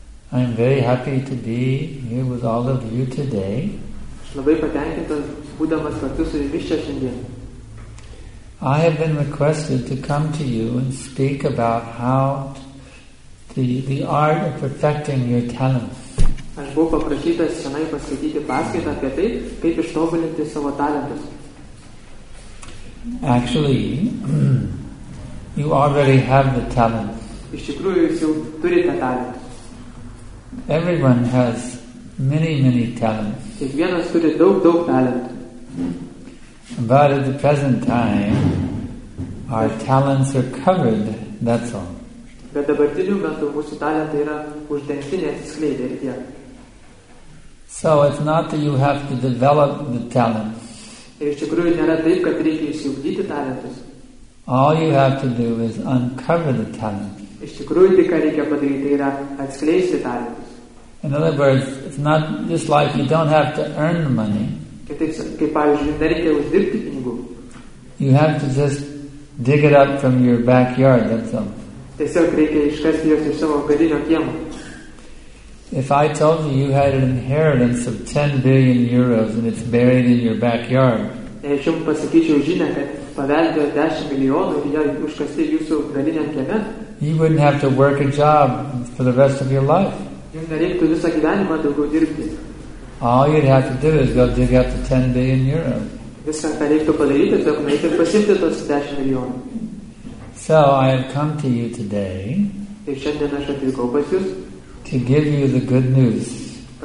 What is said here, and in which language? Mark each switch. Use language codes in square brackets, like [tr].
[en] I'm very happy to be here with all of you today. [lt] Labai patenkintas būdamas kartu su jumis čia šiandien. [en] I have been requested to come to you and speak about how the art of perfecting your talents. [lt] Aš buvau paprašytas tenai paskaityti paskaitą apie tai, kaip ištobulinti savo talentus. [en] Actually, you already have the talents. [lt] Iš tikrųjų, jūs jau turite talentus. [en] Everyone has many, many talents. [lt] Kiekvienas turi daug, daug talentų. [en] But at the present time, our talents are covered, that's all. [lt] Bet dabartiniu metu mūsų talentai yra uždengti, neatsiskleidę ir tiek. [en] So it's not that you have to develop the talents. [lt] Ir iš tikrųjų, nėra taip, kad reikia išsiugdyti talentus. [en] All you have to do is uncover the talents. [lt] Iš tikrųjų, tai ką reikia padaryti, yra atskleisti talentus. [en] In other words, it's not just like you don't have to earn the money. [lt] Kaip pavyzdžiui, nereikia uždirbti pinigų. [en] You have to just dig it up from your backyard, that's all. [lt] Tiesiog reikia iškasti juos iš savo garinio kiemo. [en] If I told you you had an inheritance of 10 billion euros and it's buried in your backyard. [lt] Jei aš jums pasakyčiau žinę, kad paveldėjo 10 milijonų ir jie užkasti jūsų galiniam kieme. [en] You wouldn't have to work a job for the rest of your life. All you'd have to do is go dig up the 10 billion euros. So I have come to you today to give you the good news.